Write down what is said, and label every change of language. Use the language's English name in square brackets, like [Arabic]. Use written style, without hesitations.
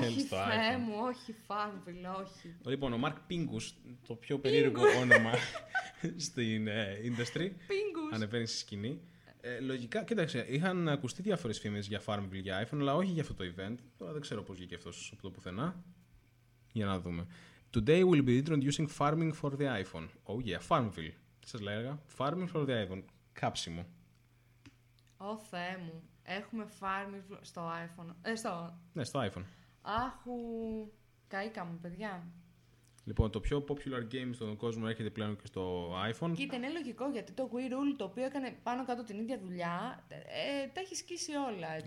[Greek] Όχι, Θεέ μου, όχι Farmville, όχι. Λοιπόν, ο Mark Pingus, το πιο περίεργο όνομα στην industry. Pingus. Ανεβαίνει στη σκηνή. Λογικά, κοίταξε, είχαν ακουστεί διάφορες φήμες για Farmville για iPhone, αλλά όχι για αυτό το event. Τώρα δεν ξέρω πώς βγήκε αυτός από το πουθενά. Για να δούμε. [English] Today we'll be introducing farming for the iPhone. Oh yeah, Farmville. [Greek] Τι σας λέγα, farming for the iPhone. Κάψιμο. Ω Θεέ μου, έχουμε Farmville στο iPhone. Ναι, στο iPhone. Αχου, καήκαμε, παιδιά. Λοιπόν, το πιο popular game στον κόσμο έρχεται πλέον και στο iPhone. Κοίτα, είναι λογικό γιατί το Wii Rule, το οποίο έκανε πάνω κάτω την ίδια δουλειά, τα έχει σκίσει όλα, έτσι.